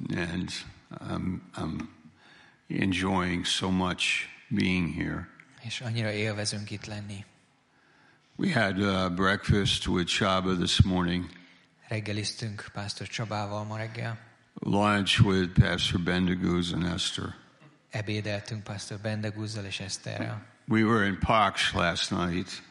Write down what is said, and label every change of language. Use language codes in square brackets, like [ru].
[en] And I'm enjoying so much being here. [hu] És annyira élvezünk itt lenni. [en] We had breakfast with Csaba this morning. [hu] Reggeliztünk Pastor Csabával ma reggel. [en] Lunch with Pastor Bendegúz and Esther. [hu] Ebédeltünk Pastor Bendegúzzal és Eszterrel. [en] We were in Pax last night.